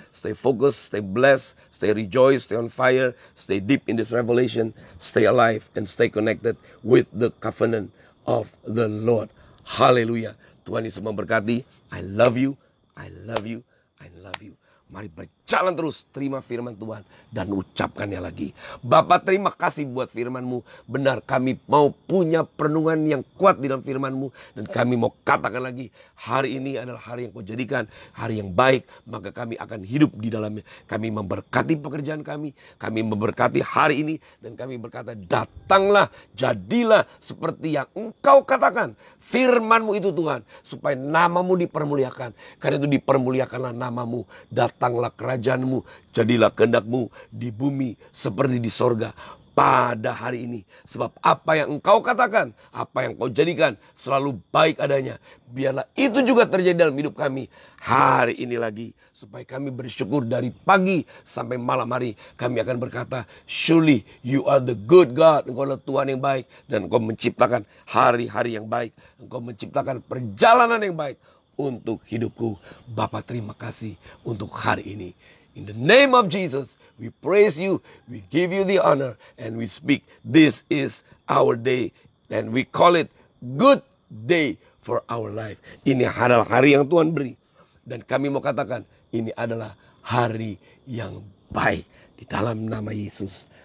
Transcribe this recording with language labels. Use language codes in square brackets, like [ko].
[en] Stay focused, stay blessed, stay rejoiced, stay on fire, stay deep in this revelation, stay alive and stay connected with the covenant of the Lord. Hallelujah. [id] Tuhan Yesus memberkati. [en] I love you. I love you. I love you. [id] Mari berjalan. jalan terus. Terima firman Tuhan dan ucapkannya lagi. Bapa, terima kasih buat firman-Mu. Benar, kami mau punya perenungan yang kuat di dalam firman-Mu. Dan kami mau katakan lagi, hari ini adalah hari yang Kau jadikan, hari yang baik. Maka kami akan hidup di dalamnya. Kami memberkati pekerjaan kami. Kami memberkati hari ini. Dan kami berkata, datanglah, jadilah seperti yang Engkau katakan. Firman-Mu itu Tuhan, supaya nama-Mu dipermuliakan. Karena itu dipermuliakanlah nama-Mu. Datanglah kerajaan-Mu, jadilah kehendak-Mu di bumi seperti di sorga pada hari ini. Sebab apa yang Engkau katakan, apa yang Kau jadikan selalu baik adanya. Biarlah itu juga terjadi dalam hidup kami hari ini lagi. Supaya kami bersyukur dari pagi sampai malam hari. Kami akan berkata, [en] surely you are the good God. [id] Engkau adalah Tuhan yang baik. Dan Engkau menciptakan hari-hari yang baik. Engkau menciptakan perjalanan yang baik untuk hidupku. Bapa, terima kasih untuk hari ini. [en] In the name of Jesus, we praise you, we give you the honor, and we speak, this is our day, and we call it good day for our life. [id] Ini adalah hari yang Tuhan beri, dan kami mau katakan, ini adalah hari yang baik, di dalam nama Yesus.